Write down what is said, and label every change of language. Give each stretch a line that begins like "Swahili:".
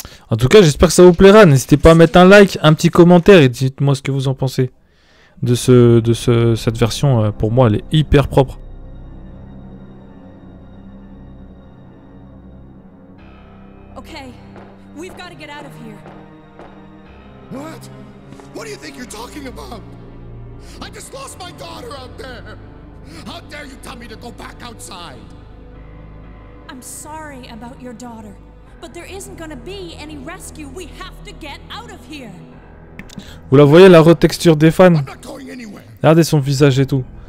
French: En tout cas, j'espère que ça vous plaira. N'hésitez pas à mettre un like, un petit commentaire et dites-moi ce que vous en pensez de cette version. Pour moi, elle est hyper propre.
English: Okay, we've got to get out of here. What? What do you think you're talking about? I just lost my daughter out there. How dare you tell me to go back outside? I'm sorry about your daughter. But there isn't gonna be any rescue. We have to get out of here.
French: Vous la voyez la retexture des fans? Regardez son visage et tout.